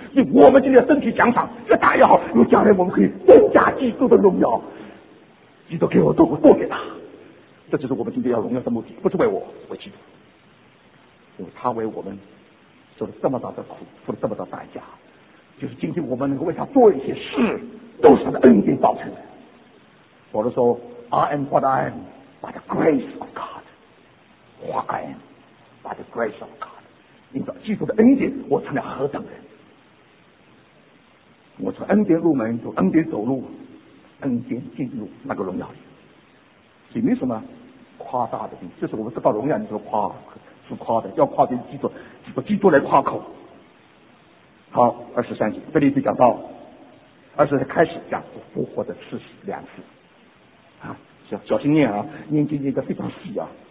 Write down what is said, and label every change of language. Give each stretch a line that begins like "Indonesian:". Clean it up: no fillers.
Chinese: 所以我们今天争取奖赏越大越好，因为将来我们可以增加基督的荣耀。基督给我多，我多给他，这就是我们今天要荣耀的目的，不是为我，为基督，因为他为我们受了这么大的苦，付了这么大代价，就是今天我们能够为他做一些事，都是他的恩典造成的。保罗说
English: I am what I am by the grace of God, what I am by the grace of God,
Chinese: 因着基督的恩典我成了何等人。我从恩典入门，从恩典走路，恩典进入那个荣耀里，所以没什么夸大的地方。就是我们得到荣耀，你说夸是夸的，要夸就是基督，基督，基督来夸口。好，二十三节，这里就讲到二十三开始讲复活的次序两次啊，小心念啊，念经念得非常细啊。